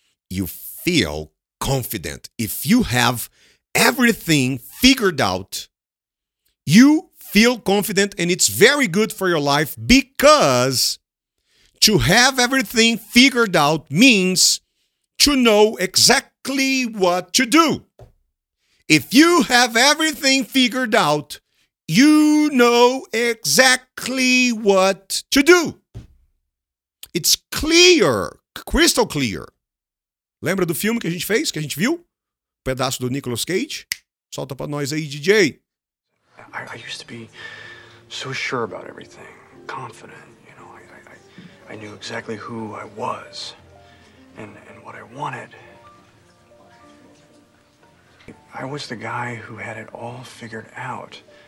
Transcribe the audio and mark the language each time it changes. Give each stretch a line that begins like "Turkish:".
English: You feel confident. If you have everything figured out, you feel confident, and it's very good for your life, because to have everything figured out means to know exactly what to do. If you have everything figured out, you know exactly what to do. It's clear, crystal clear.
Portuguese: Lembra do filme que a gente fez, que a gente viu? Pedaço do Nicolas Cage? Solta pra nós aí, DJ.
English: I used to be so sure about everything, confident, you know. I, I, I knew exactly who I was and what I wanted. I was the guy who had it all figured out.